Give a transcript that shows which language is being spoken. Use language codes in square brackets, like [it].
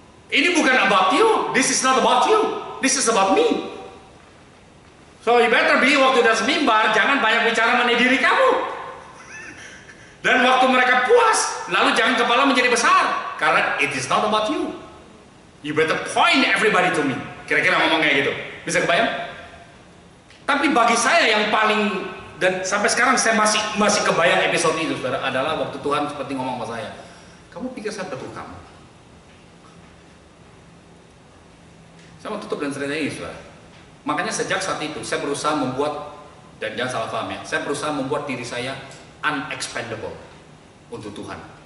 [id] Ini bukan [en] about you, this is not about you, this is about me. So you better be, [id] waktu udah semimbar, jangan banyak bicara mengenai diri kamu. Dan waktu mereka puas, lalu jangan kepala menjadi besar. Karena [en] it is not about you. You better point everybody to me. [id] Kira-kira ngomong kayak gitu. Bisa kebayang? Tapi bagi saya yang paling dan sampai sekarang saya masih kebayang episode itu, Saudara, adalah waktu Tuhan seperti ngomong sama saya, kamu pikir saya butuh kamu? Saya mau tutup dan ceritanya ini, Saudara. Makanya sejak saat itu saya berusaha membuat, dan jangan salah paham ya, saya berusaha membuat diri saya unexpendable untuk Tuhan.